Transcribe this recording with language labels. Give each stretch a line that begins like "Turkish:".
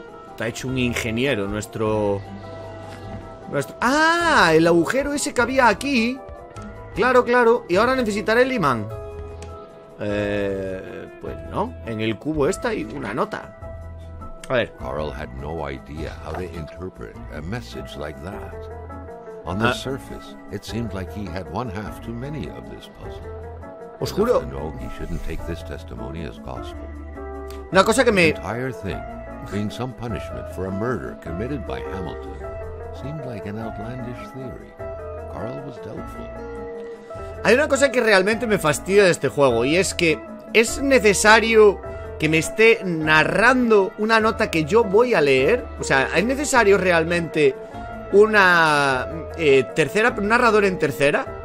Spanish: Está hecho un ingeniero nuestro. ¡Ah! El agujero ese que había aquí. Claro, claro. Y ahora necesitaré el imán. Pues no. En el cubo está y una nota. A ver.
English: Carl had no idea how to interpret a message like that. On the surface, it seemed like he had one half too many of this puzzle.
Spanish: Os juro.
English: No, he shouldn't take this testimony as gospel.
Spanish: Una cosa que me.
English: The entire thing, being some punishment for a murder committed by Hamilton, seemed like an outlandish theory. Carl was doubtful.
Spanish: Hay una cosa que realmente me fastidia de este juego y es que es necesario que me esté narrando una nota que yo voy a leer. O sea, ¿es necesario realmente una tercera, un narrador en tercera?